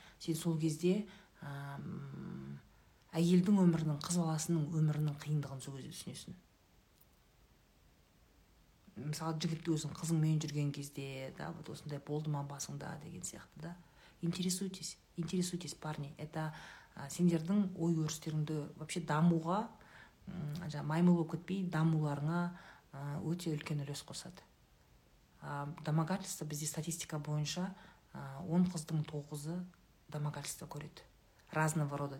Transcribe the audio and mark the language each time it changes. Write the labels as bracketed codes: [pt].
[kk] Сен сол кезде әйелдің өмірінің, қыз баласының өмірінің қиындығын сол кезде түсінесің. Мысалы, жігітті өзің қызың мен жүрген кезде, да, вот осындай болды ма басыңда деген сияқты, да. [ru] интересуйтесь, интересуйтесь, парни. [kk] Это сендердің ой өрістеріңді вообще дамуға, маймылу көтпей, дамуларыңа өте үлкен үлес қосады. Домогательство бізде статистика бойынша 10 қыздың 9-ы домогательство көреді. [ru] Разного рода.